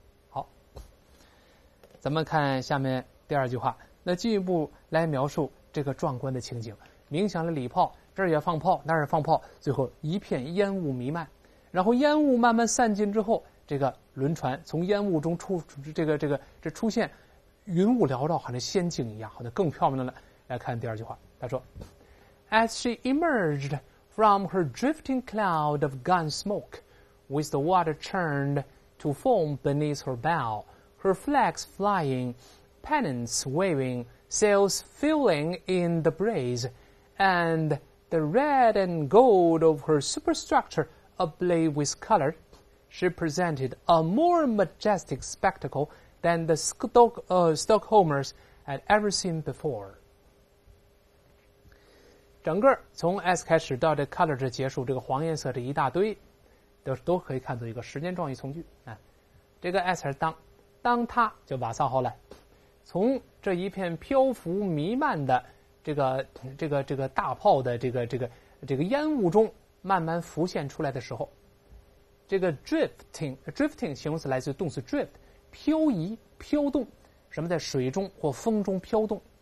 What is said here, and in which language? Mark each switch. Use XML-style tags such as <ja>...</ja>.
<zh>好，咱们看下面第二句话，那进一步来描述这个壮观的情景，鸣响了礼炮，这儿也放炮，那儿也放炮，最后一片烟雾弥漫，然后烟雾慢慢散尽之后，这个轮船从烟雾中出现云雾缭绕，好像仙境一样，好像更漂亮了。</zh> <en>来看第二句话，</en> <zh>他说</zh> <en>As she emerged from her drifting cloud of gun smoke with the water churned to foam beneath her bow, her flags flyingPennants waving, sails filling in the breeze, and the red and gold of her superstructure ablaze with color, she presented a more majestic spectacle than the Stockholmers had ever seen before.</en> <zh>整个从 S 开始到这 color 这结束，这个黄颜色这一大堆，都可以看作一个时间状语从句。这个 S 还是当他就瓦萨号了。从这一片漂浮弥漫的这个大炮的这个烟雾中慢慢浮现出来的时候，这个 drifting 形容词来自动词 drift， 漂移飘动，什么在水中或风中飘动。</zh>